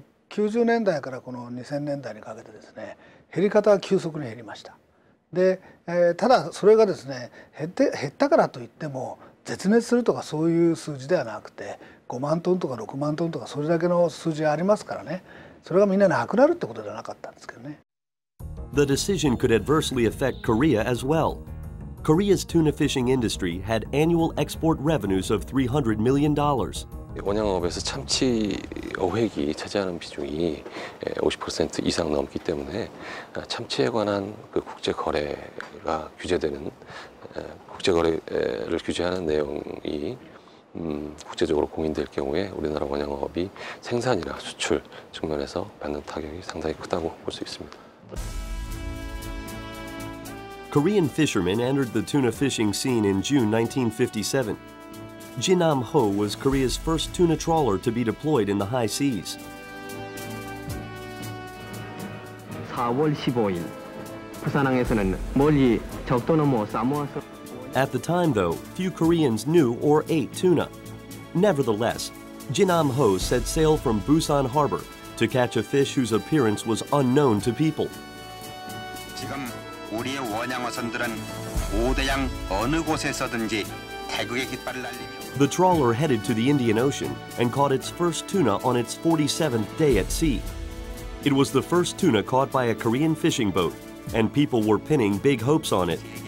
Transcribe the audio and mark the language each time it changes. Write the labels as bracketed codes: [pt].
[ja] 90年代からこの2000年代にかけてですね、減り方は急速に減りました。で、ただそれがですね、減ったからといっても絶滅するとかそういう数字ではなくて、5万トンとか6万トンとかそれだけの数字ありますからね、それがみんななくなるってことではなかったんですけどね。 [en] The decision could adversely affect Korea as well. Korea's tuna fishing industry had annual export revenues of $300 million. [ko] 원양업에서 참치 어획이 차지하는 비중이 50% 이상 넘기 때문에 참치에 관한 그 국제 거래가 규제되는 국제 거래를 규제하는 내용이 국제적으로 공인될 경우에 우리나라 원양업이 생산이나 수출 측면에서 받는 타격이 상당히 크다고 볼 수 있습니다. [en] Korean fishermen entered the tuna fishing scene in June 1957. Jinam Ho was Korea's first tuna trawler to be deployed in the high seas. [ko] 4월 15일 부산항에서는 멀리 적도 넘어 사모아서. [en] At the time, though, few Koreans knew or ate tuna. Nevertheless, Jinam Ho set sail from Busan Harbor to catch a fish whose appearance was unknown to people. [ko] 지금 우리의 원양어선들은 오대양 어느 곳에서든지 태국의 깃발을 날리며. [en] The trawler headed to the Indian Ocean and caught its first tuna on its 47th day at sea. It was the first tuna caught by a Korean fishing boat, and people were pinning big hopes on it.